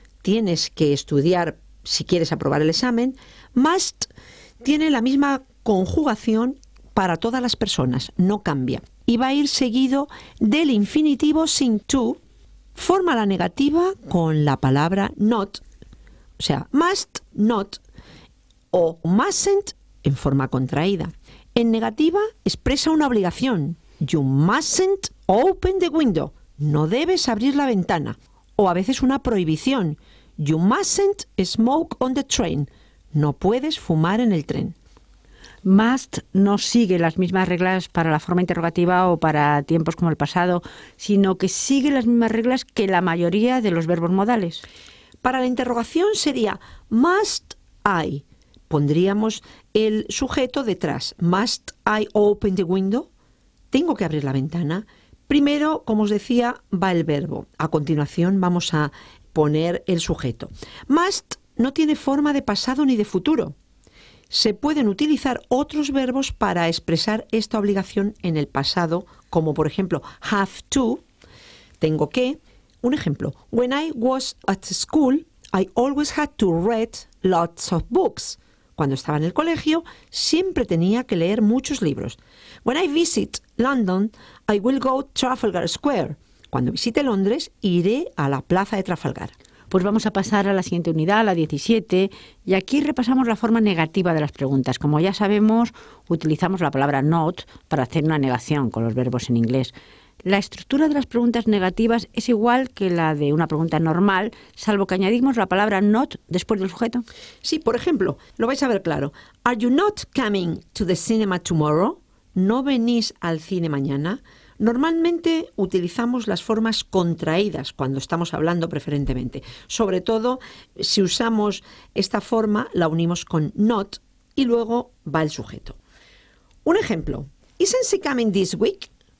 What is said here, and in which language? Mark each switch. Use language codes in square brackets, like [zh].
[es] Tienes que estudiar si quieres aprobar el examen. Must tiene la misma conjugación para todas las personas, no cambia. Y va a ir seguido del infinitivo sin to. Forma la negativa con la palabra not. O sea, must not o mustn't en forma contraída. En negativa expresa una obligación. [en] You mustn't open the window. [es] No debes abrir la ventana. O a veces una prohibición. [en] You mustn't smoke on the train. [es] No puedes fumar en el tren. Must no sigue las mismas reglas para la forma interrogativa o para tiempos como el pasado, sino que sigue las mismas reglas que la mayoría de los verbos modales. Para la interrogación sería must I. Pondríamos el sujeto detrás. [en] Must I open the window? [es] ¿Tengo que abrir la ventana? Primero, como os decía, va el verbo. A continuación vamos a poner el sujeto. Must no tiene forma de pasado ni de futuro. Se pueden utilizar otros verbos para expresar esta obligación en el pasado, como por ejemplo have to, tengo que. Un ejemplo, [en] when I was at school, I always had to read lots of books. [es] Cuando estaba en el colegio, siempre tenía que leer muchos libros. [en] When I visit London, I will go to Trafalgar Square. [es] Cuando visite Londres, iré a la plaza de Trafalgar. Pues vamos a pasar a la siguiente unidad, a la 17, y aquí repasamos la forma negativa de las preguntas. Como ya sabemos, utilizamos la palabra not para hacer una negación con los verbos en inglés. La estructura de las preguntas negativas es igual que la de una pregunta normal, salvo que añadimos la palabra not después del sujeto. Sí, por ejemplo, lo vais a ver claro. [en] Are you not coming to the cinema tomorrow? [es] ¿No venís al cine mañana? Normalmente utilizamos las formas contraídas cuando estamos hablando preferentemente. Sobre todo, si usamos esta forma, la unimos con not y luego va el sujeto. Un ejemplo. [en] Isn't she coming this week?